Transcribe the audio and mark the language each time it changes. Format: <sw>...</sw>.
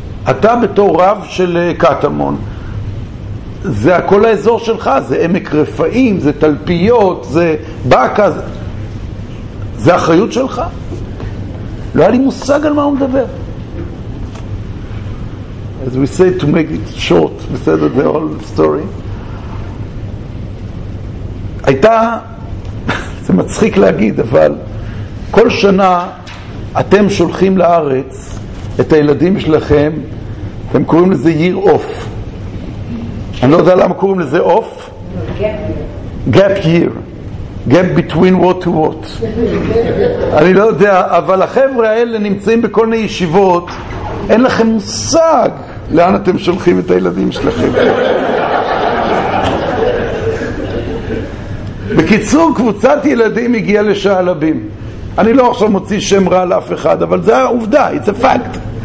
<he>אתה בתור רב של קטמון, זה הכל האזור שלך, זה עמק רפאים, זה תלפיות, זה בקה, זה אחריות שלך. לא היה לי מושג על מה הוא מדבר.</he> <en>As we say, to make it short, we said the whole story.</en> <he>הייתה, זה מצחיק להגיד, אבל כל שנה אתם שולחים לארץ את הילדים שלכם, אתם קוראים לזה</he> <en>year off.</en> <he>אני לא יודע למה קוראים לזה off.</he> <en>Gap year. Gap between what to what.</en> <he>אני לא יודע, אבל החבר'ה האלה נמצאים בכל מיני ישיבות, אין לכם מושג לאן אתם שולחים את הילדים שלכם. בקיצור, קבוצת ילדים הגיעה לשעלבים. אני לא עכשיו מוציא שם רע לאף אחד, אבל זה העובדה,</he> <en>it's a fact.</en>